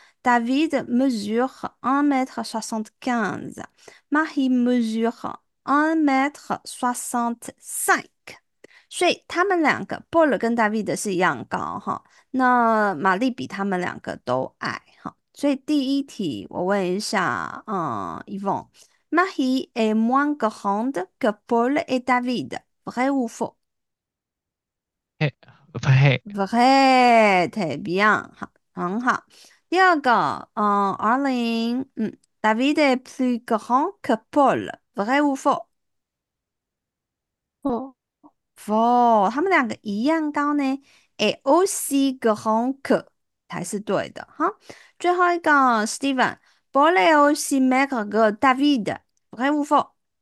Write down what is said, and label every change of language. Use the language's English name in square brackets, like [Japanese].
[French] David mesure un mètre soixante quinze。 Marie mesure un mètre soixante cinq。 [Chinese] 所以他们两个，Paul 跟 David 是一样高哈，那玛丽比他们两个都矮哈。所以第一题，我问一下， [French] Yvonne，玛丽 est moins grande que Paul et David，vrai ou faux？vrai，très bien， [Chinese] 好，很好。第二个， [French] Arlene，David est plus grand que Paul，vrai ou faux？ [Chinese] 哦，哦，他们两个一样高呢。哎， [French] aussi grand que [Chinese] 才是对的哈。最后一个， [French] Steven，玻璃 aussi maigre que David，vrai ou faux？